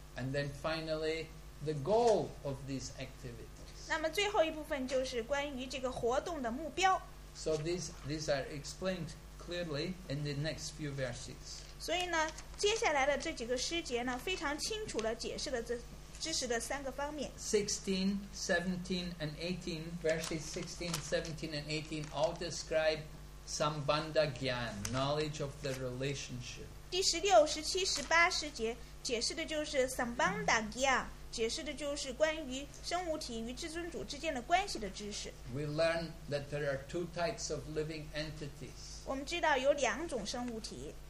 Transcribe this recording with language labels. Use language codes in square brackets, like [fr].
[en] And then finally, the goal of these activities. [zh] 那么最后一部分就是关于这个活动的目标。 [en] So these are explained clearly in the next few verses. [zh] 所以呢,接下来的这几个诗节呢,非常清楚地解释了这 知识的三个方面 [en] 16, 17 and 18 verses 16, 17 and 18 all describe Sambandha Gyan, knowledge of the relationship. [zh] 第16, 17, 18节 解释的就是 Sambandha Gyan 解释的就是关于生物体与至尊主之间的关系的知识。 [en] We learn that there are two types of living entities. [zh] 我们知道有两种生物体。